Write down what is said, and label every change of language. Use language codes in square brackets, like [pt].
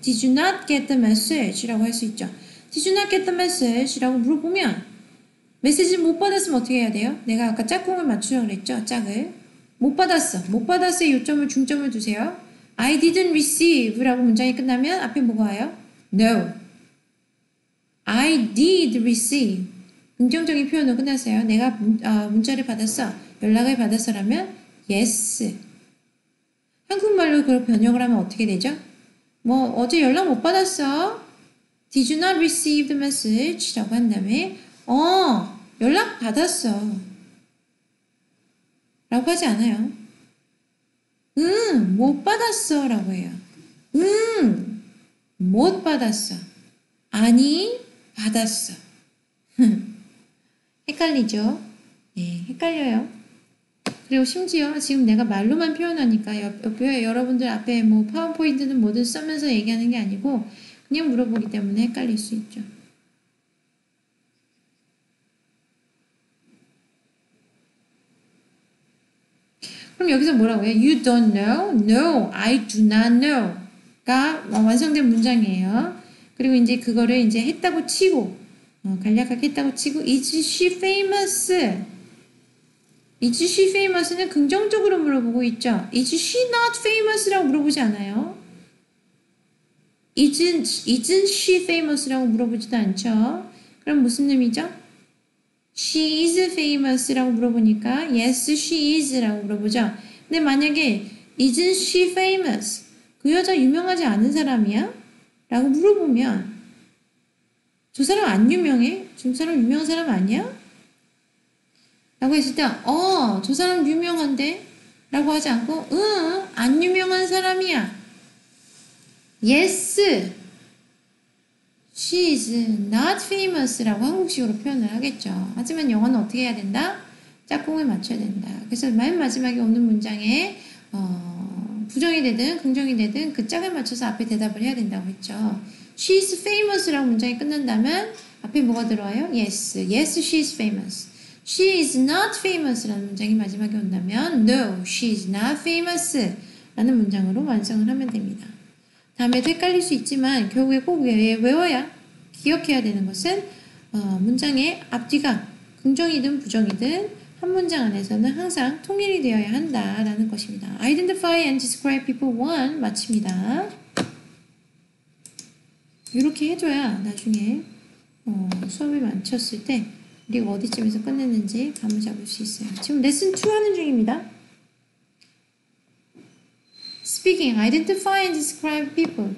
[en] Did you not get the message? [ko] 라고 할수 있죠. [en] Did you not get the message? [ko] 라고 물어보면 메시지 못 받았으면 어떻게 해야 돼요? 내가 아까 짝꿍을 맞추라고 그랬죠? 짝을. 못 받았어. 못 받았어에 요점을, 중점을 두세요. [en] I didn't receive [ko] 라고 문장이 끝나면 앞에 뭐가 와요? [en] No. I did receive. [ko] 긍정적인 표현으로 끝났어요. 내가 문자를 받았어. 연락을 받았어라면 yes. 한국말로 그걸 번역을 하면 어떻게 되죠? 뭐, 어제 연락 못 받았어. Did you not receive the message? 라고 한 다음에 연락 받았어. 라고 하지 않아요. 못 받았어. 라고 해요. 못 받았어. 아니, 받았어. 헷갈리죠? 네, 헷갈려요. 그리고 심지어 지금 내가 말로만 표현하니까 옆에 여러분들 앞에 뭐 파워포인트는 뭐든 쓰면서 얘기하는 게 아니고 그냥 물어보기 때문에 헷갈릴 수 있죠. 그럼 여기서 뭐라고 해요? [en] You don't know? No, I do not know. [ko] 가 완성된 문장이에요. 그리고 이제 그거를 이제 했다고 치고, 간략하게 했다고 치고, [en] Is she famous? Is she famous [ko] 는 긍정적으로 물어보고 있죠. [en] Is she not famous [ko] 라고 물어보지 않아요. [en] Isn't she famous [ko] 라고 물어보지도 않죠. 그럼 무슨 의미죠? [en] She is famous [ko] 라고 물어보니까 [en] Yes, she is [ko] 라고 물어보죠. 근데 만약에 [en] Isn't she famous? [ko] 그 여자 유명하지 않은 사람이야? 라고 물어보면 저 사람 안 유명해? 저 사람 유명한 사람 아니야? 라고 했을 때, 저 사람 유명한데? 라고 하지 않고, 안 유명한 사람이야. [en] Yes, she is not famous [ko] 라고 한국식으로 표현을 하겠죠. 하지만 영어는 어떻게 해야 된다? 짝꿍을 맞춰야 된다. 그래서 맨 마지막에 오는 문장에, 부정이 되든 긍정이 되든 그 짝에 맞춰서 앞에 대답을 해야 된다고 했죠. [en] She is famous [ko] 라고 문장이 끝난다면 앞에 뭐가 들어와요? Yes. [en] Yes, she is famous. She is not famous [ko] 라는 문장이 마지막에 온다면 [en] No, she is not famous [ko] 라는 문장으로 완성을 하면 됩니다. 다음에도 헷갈릴 수 있지만 결국에 꼭 외워야 기억해야 되는 것은 문장의 앞뒤가 긍정이든 부정이든 한 문장 안에서는 항상 통일이 되어야 한다라는 것입니다. [en] Identify and describe people one. [ko] 마칩니다. 이렇게 해줘야 나중에 수업에 맞췄을 때 우리가 어디쯤에서 끝냈는지 감을 잡을 수 있어요. 지금 레슨 2 하는 중입니다. [en] Speaking, identify and describe people.